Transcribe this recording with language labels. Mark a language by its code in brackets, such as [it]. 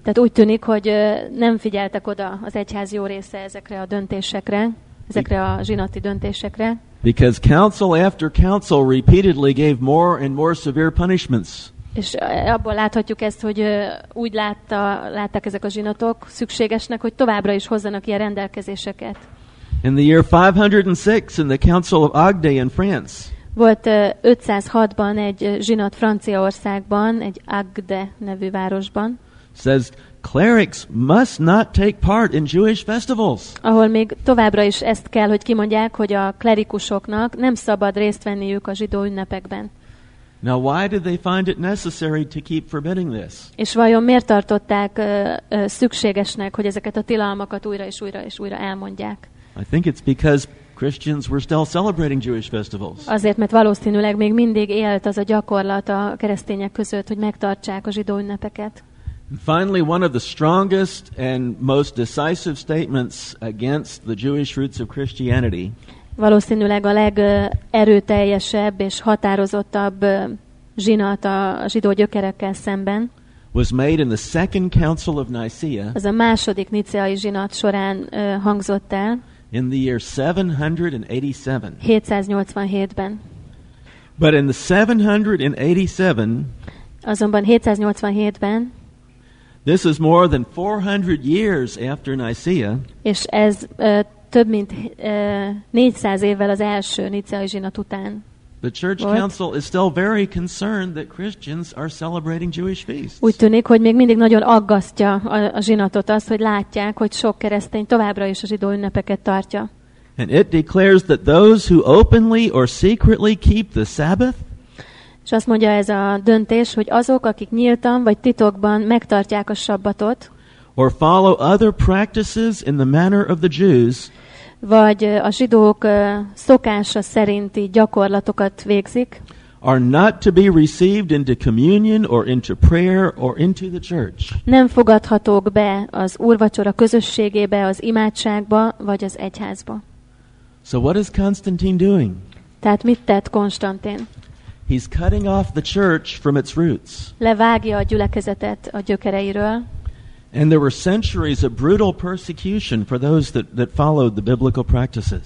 [hu] Tehát úgy tűnik, hogy nem figyeltek oda az egyház jó része ezekre a döntésekre, ezekre a zsinati döntésekre. [en] Because council after council repeatedly gave more and more severe punishments. [hu] És abból láthatjuk ezt, hogy úgy látták ezek a zsinatok szükségesnek, hogy továbbra is hozzanak ilyen rendelkezéseket. [en] In the year 506 in the Council of Agde in France. [hu] Volt 506-ban egy zsinat Franciaországban, egy Agde nevű városban. [en] Says clerics must not take part in Jewish festivals. [hu] Ahol még továbbra is ezt kell, hogy kimondják, hogy a klerikusoknak nem szabad részt venniük a zsidó ünnepekben. [en] Now why did they find it necessary to keep forbidding this? [hu] És vajon miért tartották szükségesnek, hogy ezeket a tilalmakat újra és újra és újra elmondják? [en] I think it's because Christians were still celebrating Jewish festivals. [hu] Azért, mert valószínűleg még mindig élt az a gyakorlat a keresztények között, hogy megtartsák a zsidó ünnepeket. [en] Finally, one of the strongest and most decisive statements against the Jewish roots of Christianity. [hu] Valószínűleg a legerőteljesebb és határozottabb zsinat a zsidó gyökerekkel szemben. [en] Was made in the Second Council of Nicaea. [hu] Az a második niceai zsinat során hangzott el. [en] In the year 787. [hu] 787-ben. [en] But in the 787. [hu] Azonban 787-ben. [en] This is more than 400 years after Nicaea. [hu] És ez több mint 400 évvel az első niceai zsinat után. [en] The church council is still very concerned that Christians are celebrating Jewish feasts. [hu] Úgy tűnik, hogy még mindig nagyon aggasztja a zsinatot az, hogy látják, hogy sok keresztény továbbra is a zsidó ünnepeket tartja. [en] And it declares that those who openly or secretly keep the Sabbath. [hu] És azt mondja ez a döntés, hogy azok, akik nyíltan vagy titokban megtartják a sabbatot, [en] or follow other practices in the manner of the Jews, [hu] vagy a zsidók szokása szerinti gyakorlatokat végzik, [en] are not to be received into communion or into prayer or into the church. [hu] Nem fogadhatók be az úrvacsora közösségébe, az imádságba vagy az egyházba. [en] So what is Constantine doing? [hu] Tehát mit tett Konstantin? [en] He's cutting off the church from its roots. [hu] Levágja a gyülekezetet a gyökereiről. [en] And there were centuries of brutal persecution for those that followed the biblical practices.